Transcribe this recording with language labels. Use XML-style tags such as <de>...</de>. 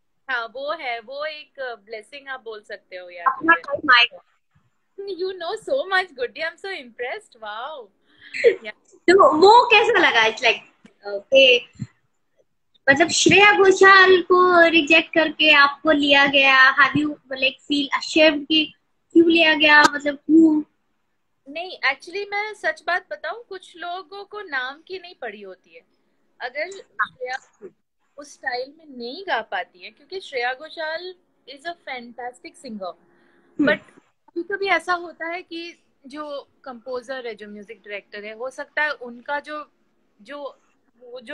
<hi>हाँ वो है वो एक ब्लेसिंग आप बोल सकते हो यार अपना टाइम आएगा</hi> <en>You know so much, Goody. I'm so impressed. Wow.</en> <hi>तो वो कैसा लगा?</hi> <en>It's like okay.</en> <hi>मतलब श्रेया घोषाल को reject करके आपको लिया गया.</hi> <en>Have you like feel ashamed</en> <hi>कि क्यों लिया गया? मतलब क्यों? नहीं, actually मैं सच बात बताऊँ, कुछ लोगों को नाम की नहीं पड़ी होती है. अगर श्रेया उस style में नहीं गा पाती है, क्योंकि Shreya Ghoshal</hi> <en>is a fantastic singer, but</en> <hi>कभी ऐसा होता है कि जो कंपोजर है जो म्यूजिक डायरेक्टर है हो सकता है उनका जो जो जो</hi>